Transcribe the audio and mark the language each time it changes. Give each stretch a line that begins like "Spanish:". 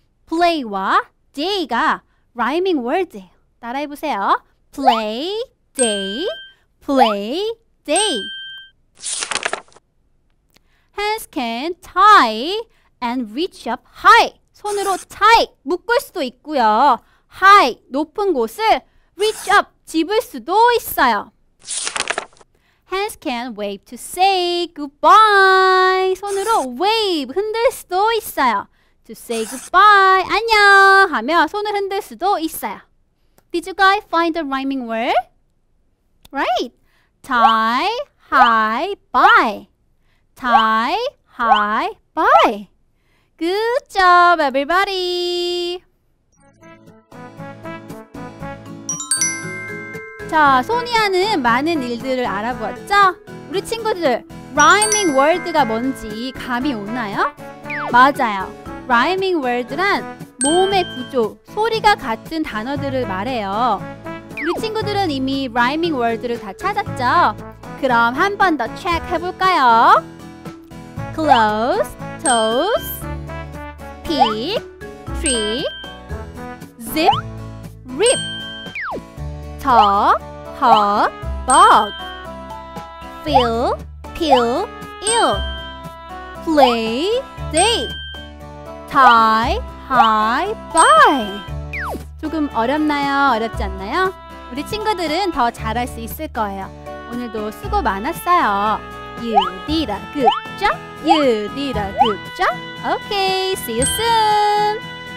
Korean: play와 day가 rhyming word예요. 따라해보세요. play, day, play, day.
English: Hands can tie and reach up high.
Korean: 손으로 tie, 묶을 수도 있고요. high, 높은 곳을 reach up, 집을 수도 있어요.
English: Hands can wave to say goodbye.
Korean: 손으로 wave, 흔들 수도 있어요.
English: To say goodbye,
Korean: 안녕! 하며 손을 흔들 수도 있어요.
English: Did you guys find the rhyming word? Right. Tie, high, bye. Tie, high, bye. Good job, everybody.
Korean: 자, 손이 하는 많은 일들을 알아보았죠? 우리 친구들, rhyming word가 뭔지 감이 오나요? 맞아요. rhyming word란 모음의 구조, 소리가 같은 단어들을 말해요. 우리 친구들은 이미 rhyming word를 다 찾았죠? 그럼 한 번 더 check 해볼까요?
English: close, toes, peek, trick, zip, rip, talk, hug, bug, feel, peel, ill, play, day, tie, high, bye.
Korean: 조금 어렵나요? 어렵지 않나요? 우리 친구들은 더 잘할 수 있을 거예요. 오늘도 수고 많았어요.
English: You did a good job. You did a good job. Okay, see you soon.